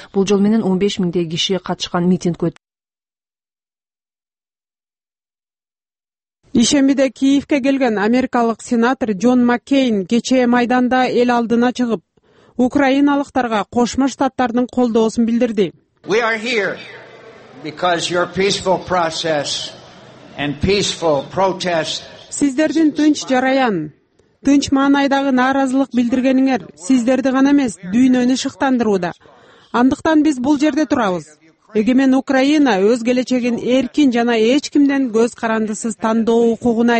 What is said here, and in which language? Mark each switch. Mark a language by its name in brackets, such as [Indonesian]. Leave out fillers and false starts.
[Kyrgyz] Бул жол менен 15 000 киши катышкан митинг өттү. Ишембиде Киевке келген америкалык сенатор Джон Маккейн кечээ майданда эл алдына чыгып, украиналыктарга Кошмо Штаттардын колдоосун билдирди. [English] We are here because your peaceful process and peaceful protest. [Kyrgyz] Сиздердин тынч жараян, тынч маанайдагы нааразылык билдиргениңер сиздерди гана эмес, дүйнөнү шыктандырууда. Андыктан биз бул жерде турабыз. Эгемен Украина өз келечегин эркин жана эч кимден көз карандысыз тандоо укугуна